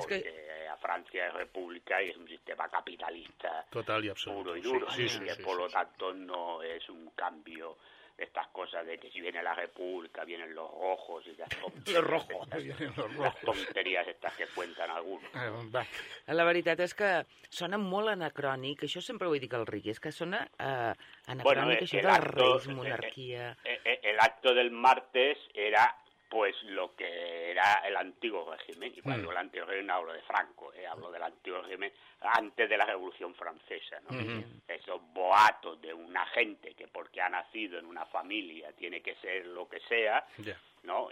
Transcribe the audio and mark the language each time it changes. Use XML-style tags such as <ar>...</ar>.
<es>Porque a Francia es república y es un sistema capitalista. Total y absoluto. Puro y duro. Sí, y por lo tanto no es un cambio... Estas cosas de que si viene la República, vienen los rojos y las tonterías. Los rojos, vienen los rojos. Las tonterías estas que cuentan algunos.</es> <ca>La veritat és que sona molt anacrònic, això sempre ho he dit al Rick, és que sona anacrònic, bueno, això de reis, monarquia...</ca> <es>El acto del martes era pues lo que era el antiguo régimen, y cuando digo el antiguo régimen hablo de Franco, hablo del antiguo régimen antes de la Revolución Francesa, ¿no? Uh-huh. Esos boatos de una gente que porque ha nacido en una familia tiene que ser lo que sea, ¿no?</es>